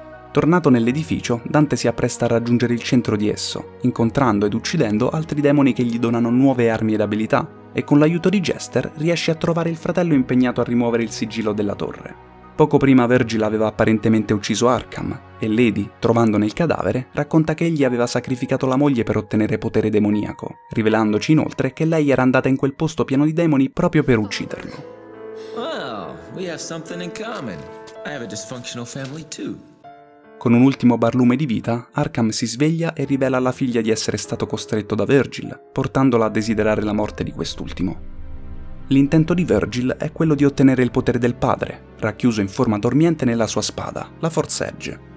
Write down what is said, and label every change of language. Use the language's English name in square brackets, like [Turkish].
[Italian] Tornato nell'edificio, Dante si appresta a raggiungere il centro di esso, incontrando ed uccidendo altri demoni che gli donano nuove armi ed abilità, e con l'aiuto di Jester riesce a trovare il fratello impegnato a rimuovere il sigillo della torre. Poco prima Virgil aveva apparentemente ucciso Arkham, e Lady, trovandone il cadavere, racconta che egli aveva sacrificato la moglie per ottenere potere demoniaco, rivelandoci inoltre che lei era andata in quel posto pieno di demoni proprio per ucciderlo. [English] Well, we have something in common. I have a dysfunctional family too. [Italian] Con un ultimo barlume di vita, Arkham si sveglia e rivela alla figlia di essere stato costretto da Virgil, portandola a desiderare la morte di quest'ultimo. L'intento di Virgil è quello di ottenere il potere del padre, racchiuso in forma dormiente nella sua spada, la Force Edge.